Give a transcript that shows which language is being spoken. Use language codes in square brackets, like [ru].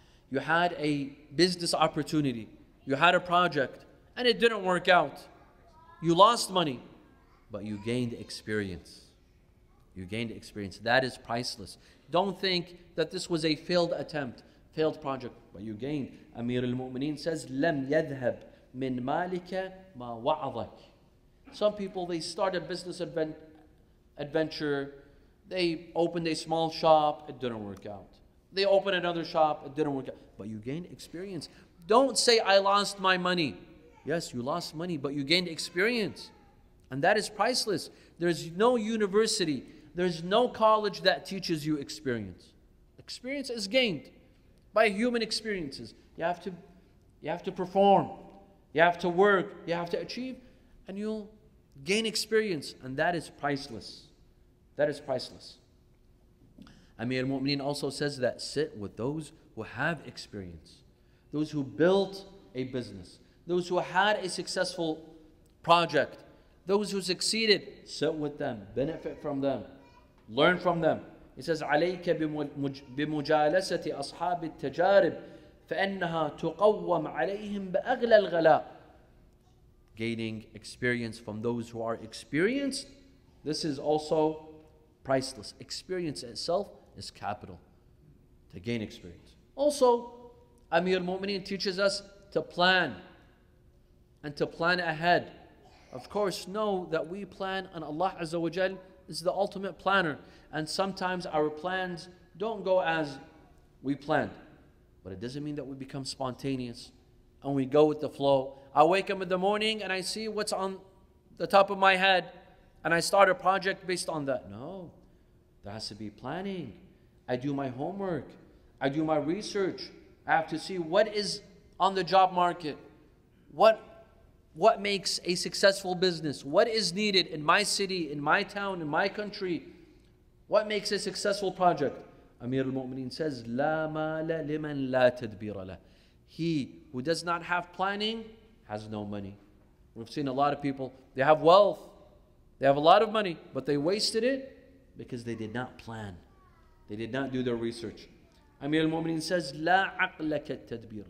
[en] You had a business opportunity. You had a project and it didn't work out. You lost money, but you gained experience. That is priceless. Don't think that this was a failed attempt, failed project, but you gained. [ar] Amir al-Mu'mineen says, لَمْ يَذْهَبْ مِنْ مَالِكَ مَا وَعَظَكَ. [en] Some people, they start a business adventure, they opened a small shop, it didn't work out. They opened another shop, it didn't work out. But you gained experience. Don't say, I lost my money. Yes, you lost money, but you gained experience. And that is priceless. There's no university, there's no college that teaches you experience. Experience is gained by human experiences. You have to perform, you have to work, you have to achieve, and you'll gain experience, and that is priceless. That is priceless. Amir al-Mu'mineen also says that sit with those who have experience, those who built a business, those who had a successful project, those who succeeded, sit with them, benefit from them, learn from them. [ar] He says, عَلَيْكَ بِمُجَالَسَةِ أَصْحَابِ التَّجَارِبِ فَإِنَّهَا تُقَوَّمْ عَلَيْهِمْ بَأَغْلَى الْغَلَاءِ. [en] Gaining experience from those who are experienced, this is also priceless. Experience itself is capital to gain experience. Also, Amir al-Mu'mineen teaches us to plan and to plan ahead. Of course, know that we plan and Allah Azza wa Jal is the ultimate planner. And sometimes our plans don't go as we planned. But it doesn't mean that we become spontaneous and we go with the flow. I wake up in the morning and I see what's on the top of my head and I start a project based on that. No, there has to be planning. I do my homework. I do my research. I have to see what is on the job market. What makes a successful business? What is needed in my city, in my town, in my country? What makes a successful project? [ar] Amir al-Mu'mineen says, لَا مَالَ لِمَنْ لَا تَدْبِيرَ لَهُ. [en] He who does not have planning has no money. We've seen a lot of people, they have wealth, they have a lot of money, but they wasted it because they did not plan. They did not do their research. Amir al-Mu'mineen says, لَا عَقْلَكَ التَّدْبِيرَ.